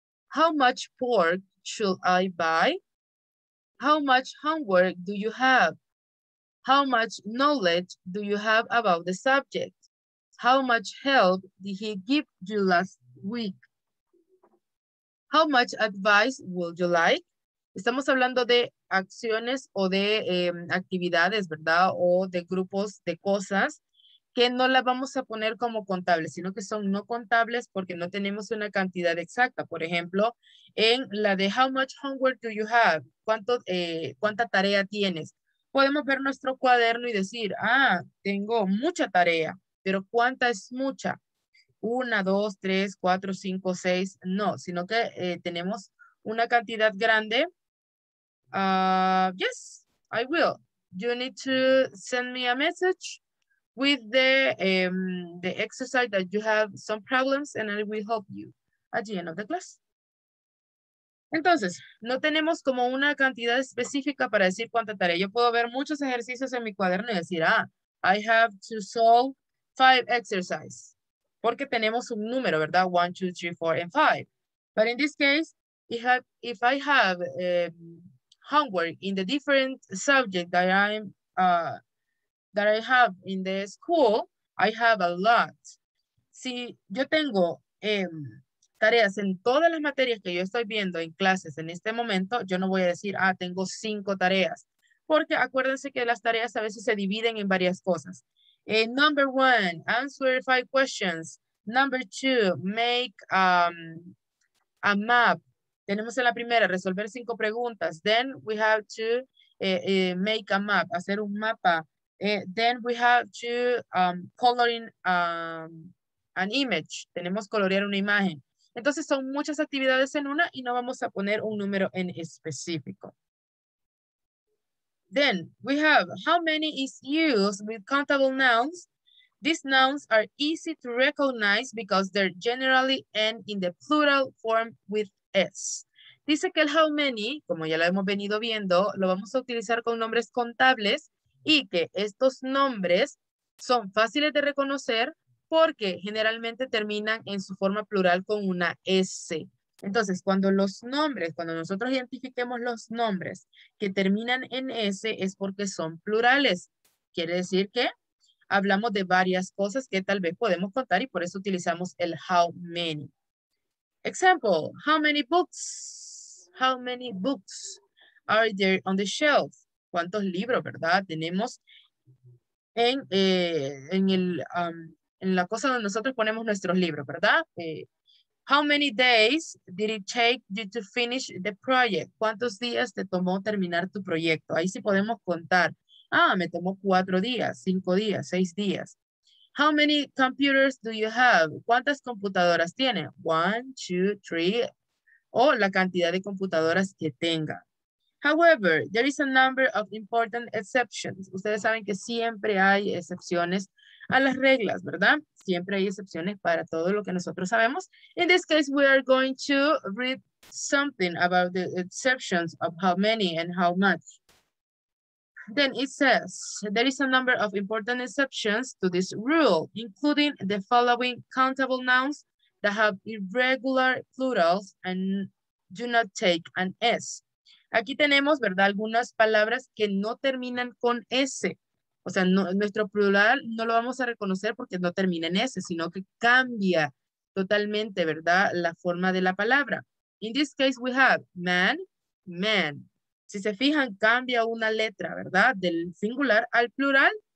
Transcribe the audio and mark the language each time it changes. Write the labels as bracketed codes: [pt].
[en] How much pork should I buy? How much homework do you have? How much knowledge do you have about the subject? How much help did he give you last week? How much advice would you like? [es] Estamos hablando de acciones o de actividades, ¿verdad? O de grupos de cosas que no las vamos a poner como contables, sino que son no contables porque no tenemos una cantidad exacta. Por ejemplo, en la de [en] how much homework do you have? [es] ¿Cuánta tarea tienes? Podemos ver nuestro cuaderno y decir, ah, tengo mucha tarea, pero ¿cuánta es mucha? Una, dos, tres, cuatro, cinco, seis, no, sino que tenemos una cantidad grande. [en] Yes, I will. You need to send me a message with the exercise that you have some problems and I will help you at the end of the class. [es] Entonces, no tenemos como una cantidad específica para decir cuánta tarea. Yo puedo ver muchos ejercicios en mi cuaderno y decir, ah, [en] I have to solve 5 exercises. [es] Porque tenemos un número, ¿verdad? 1, 2, 3, 4, [en] and 5. But in this case, if I have homework in the different subject that I have in the school, I have a lot. [es] Si yo tengo tareas en todas las materias que yo estoy viendo en clases en este momento, yo no voy a decir, ah, tengo 5 tareas. Porque acuérdense que las tareas a veces se dividen en varias cosas. [en] Number one, answer 5 questions. Number two, make a map. [es] Tenemos en la primera, resolver 5 preguntas. [en] Then we have to make a map, [es] hacer un mapa. [en] Then we have to color in an image. [es] Tenemos colorear una imagen. Entonces son muchas actividades en una y no vamos a poner un número en específico. [en] Then we have, how many is used with countable nouns? These nouns are easy to recognize because they're generally end in the plural form with s. [es] Dice que el how many, como ya lo hemos venido viendo, lo vamos a utilizar con nombres contables y que estos nombres son fáciles de reconocer porque generalmente terminan en su forma plural con una s. Entonces, cuando nosotros identifiquemos los nombres que terminan en S, es porque son plurales. Quiere decir que hablamos de varias cosas que tal vez podemos contar y por eso utilizamos el how many. [en] Example, how many books are there on the shelf? [es] ¿Cuántos libros, verdad, tenemos en la cosa donde nosotros ponemos nuestros libros, verdad? [en] How many days did it take you to finish the project? [es] ¿Cuántos días te tomó terminar tu proyecto? Ahí sí podemos contar. Ah, me tomó 4 días, 5 días, 6 días. [en] How many computers do you have? [es] ¿Cuántas computadoras tiene? 1, 2, 3. O la cantidad de computadoras que tenga. [en] However, there is a number of important exceptions. [es] Ustedes saben que siempre hay excepciones a las reglas, ¿verdad? Siempre hay excepciones para todo lo que nosotros sabemos. [en] In this case, we are going to read something about the exceptions of how many and how much. Then it says, there is a number of important exceptions to this rule, including the following countable nouns that have irregular plurals and do not take an S. [es] Aquí tenemos, ¿verdad?, algunas palabras que no terminan con S. O sea, no, nuestro plural no lo vamos a reconocer porque no termina en S, sino que cambia totalmente, ¿verdad?, la forma de la palabra. [en] In this case, we have man, men. [es] Si se fijan, cambia una letra, ¿verdad?, del singular al plural.